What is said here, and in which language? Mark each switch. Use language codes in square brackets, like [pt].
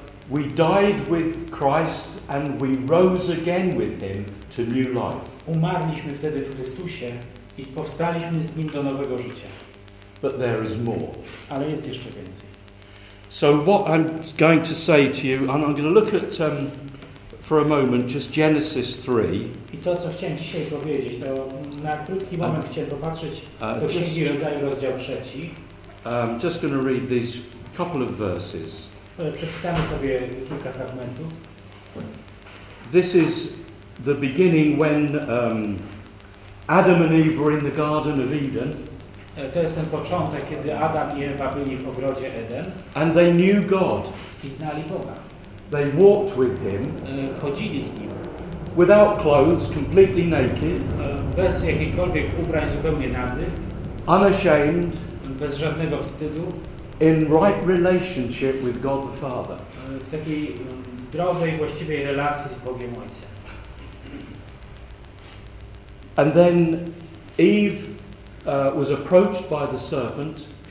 [en] we died with Christ and we rose again with him to new life. [pl] Umarliśmy wtedy w Chrystusie i powstaliśmy z nim do nowego życia. [en] But there is more. [pl] Ale jest jeszcze więcej. [en] So what I'm going to say to you, and I'm going to look at for a moment just Genesis 3. [pl] I to, co chciałem dzisiaj powiedzieć, to na krótki moment chciałem popatrzeć do Księgi Rodzaju, rozdział 3. [en] I'm just going to read these couple of verses. [pl] Przeczytamy sobie kilka fragmentów. [en] This is the beginning when Adam and Eve were in the Garden of Eden. [pl] To jest ten początek, kiedy Adam i Ewa byli w ogrodzie Eden. [en] And they knew God. [pl] I znali Boga. [en] They walked with him. [pl] Chodzili z nim. [en] Without clothes, completely naked. [pl] Bez jakichkolwiek ubrań, zupełnie nazy. [en] Unashamed. [pl] Bez żadnego wstydu. [en] In right relationship with God the Father. [pl] W takiej zdrowej, właściwej relacji z Bogiem Ojcem. [en] And then Eve was approached by the serpent.